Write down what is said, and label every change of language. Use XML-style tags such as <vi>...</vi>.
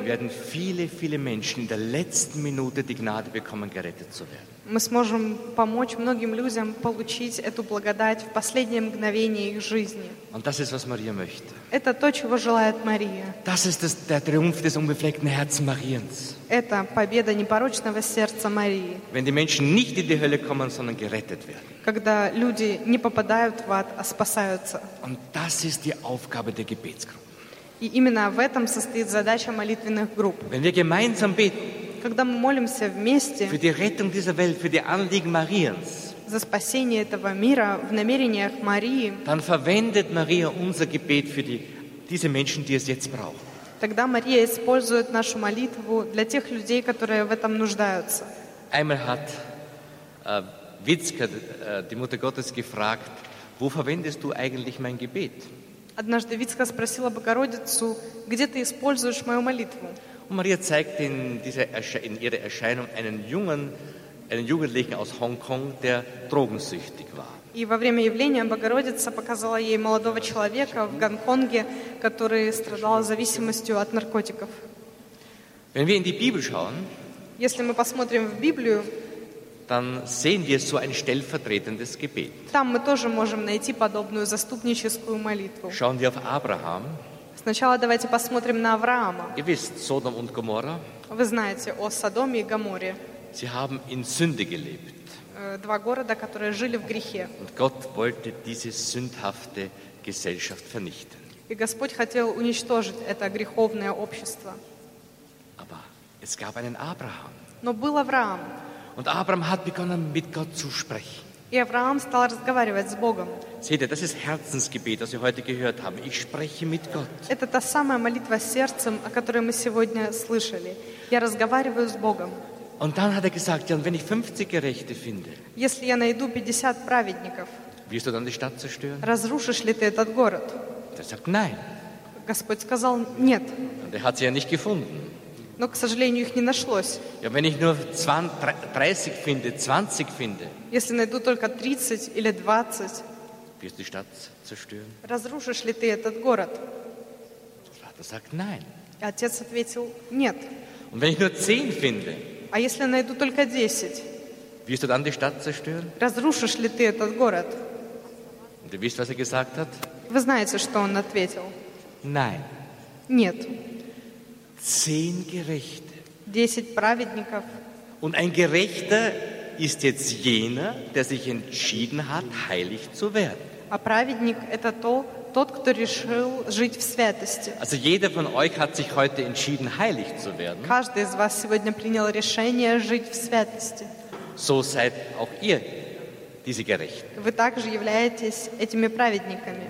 <de>werden viele, viele Menschen in der letzten Minute die Gnade bekommen, gerettet zu werden.</de> <ru>Мы сможем помочь многим людям получить эту благодать в последнее мгновение их жизни.</ru> <de>Und das ist, was Maria möchte.</de> <ru>Это то, чего желает Мария.</ru> <de>Das ist der Triumph des unbefleckten Herzens Mariens.</de> <ru>Это победа непорочного сердца Марии.</ru> <de>Wenn die Menschen nicht in die Hölle kommen, sondern gerettet werden.</de> <ru>Когда люди не попадают в ад, а спасаются.</ru> <de>Und das ist die Aufgabe der Gebetsgruppe.</de> <ru>И именно в этом состоит задача молитвенных групп.</ru> <de>Wenn wir gemeinsam beten,</de> <ru>когда мы молимся вместе</ru> <de>für die Rettung dieser Welt, für die Anliegen Mariens,</de> <ru>за спасение этого мира в намерениях Марии,</ru> <de>dann verwendet Maria unser Gebet für diese Menschen, die es jetzt brauchen.</de> <ru>Тогда Мария использует нашу молитву для тех людей, которые в этом нуждаются.</ru> <de>Einmal hat Witzka die Mutter Gottes gefragt, wo verwendest du eigentlich mein Gebet?</de> <ru>Однажды Вицка спросила Богородицу, где ты используешь мою молитву?</ru> <de>Und Maria zeigt in ihrer Erscheinung einen Jugendlichen aus Hongkong, der drogensüchtig war.</de> <ru>И во время явления Богородица показала ей молодого человека в Гонконге, который страдал зависимостью от наркотиков.</ru> <de>Wenn wir in die Bibel schauen,</de> <ru>если мы посмотрим в Библию,</ru> <de>dann sehen wir so ein stellvertretendes Gebet.</de> <ru>Там мы тоже можем найти подобную заступническую молитву.</ru> <de>Schauen wir auf Abraham.</de> <ru>Сначала давайте посмотрим на Авраама.</ru> <de>Ihr wisst, Sodom und Gomorra.</de> <ru>Вы знаете о Содоме и Гоморре.</ru> <de>Sie haben in Sünde gelebt.</de> <ru>Два города, которые жили в грехе.</ru> <de>Und Gott wollte diese sündhafte Gesellschaft vernichten.</de> <ru>И Господь хотел уничтожить это греховное общество.</ru> <de>Aber es gab einen Abraham.</de> <ru>Но был Авраам.</ru> <de>Und Abraham hat begonnen, mit Gott zu sprechen.</de> <ru>И Авраам стал разговаривать с Богом.</ru> <de>Seht ihr, das ist Herzensgebet, das wir heute gehört haben. Ich spreche mit Gott.</de> <ru>Это та самая молитва сердцем, о которой мы сегодня слышали. Я разговариваю с Богом.</ru> <de>Und dann hat gesagt, ja, wenn ich 50 Gerechte finde,</de> <ru>если я найду 50 праведников,</ru> <de>wirst du dann die Stadt zerstören?</de> <ru>Разрушишь ли ты этот город?</ru> <de>Er sagt, nein.</de> <ru>Господь сказал, нет.</ru> <de>Und er hat sie ja nicht gefunden.</de> <ru>Но, к сожалению, их не нашлось.</ru> <de>Ja, wenn ich nur 30 finde, 20 finde,</de> <ru>если найду только 30 или 20,</ru> <de>wirst die Stadt zerstören?</de> <ru>Разрушишь ли ты этот город?</ru> <de>Vater sagt, nein.</de> <ru>И отец ответил, нет.</ru> <de>Und wenn ich nur 10 finde,</de> <ru>а если найду только 10,</ru> <de>wirst du dann die Stadt zerstören?</de> <ru>Разрушишь ли ты этот город?</ru> <de>Und du weißt, was er gesagt hat?</de> <ru>Вы знаете, что он ответил?</ru> <de>Nein.</de> <ru>Нет.</ru> <de>10 Gerechte.</de> <ru>10 праведников.</ru> <de>Und ein Gerechter ist jetzt jener, der sich entschieden hat, heilig zu werden.</de> <ru>А праведник это тот, кто решил жить в святости.</ru> <de>Also jeder von euch hat sich heute entschieden, heilig zu werden.</de> <ru>Каждый из вас сегодня принял решение жить в святости.</ru> <de>So seid auch ihr diese Gerechten.</de> <ru>Вы также являетесь этими праведниками.</ru>